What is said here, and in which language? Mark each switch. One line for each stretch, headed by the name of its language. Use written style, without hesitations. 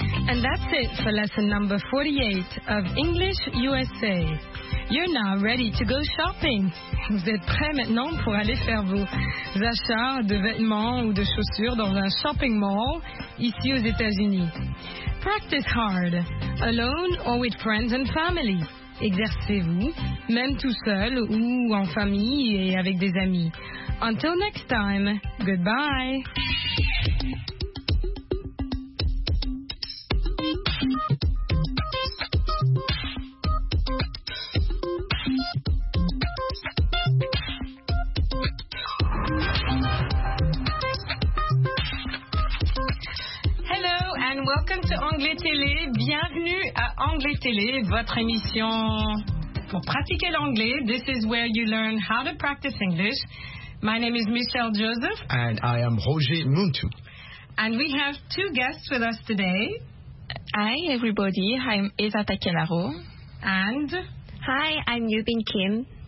English: And that's it for lesson number 48 of English USA. You're now ready to go shopping.
French: Vous êtes prêts maintenant pour aller faire vos achats de vêtements ou de chaussures dans un shopping mall ici aux États-Unis.
English: Practice hard, alone or with friends and family.
French: Exercez-vous, même tout seul ou en famille et avec des amis.
English: Until next time, goodbye. Welcome to Anglais Télé.
French: Bienvenue à Anglais Télé, votre émission pour pratiquer l'anglais.
English: This is where you learn how to practice English. My name is Michelle Joseph. And I am Roger Muntu. And we have two guests with us today. Hi, everybody. I'm Eva Takelaro. And? Hi, I'm Yubin Kim.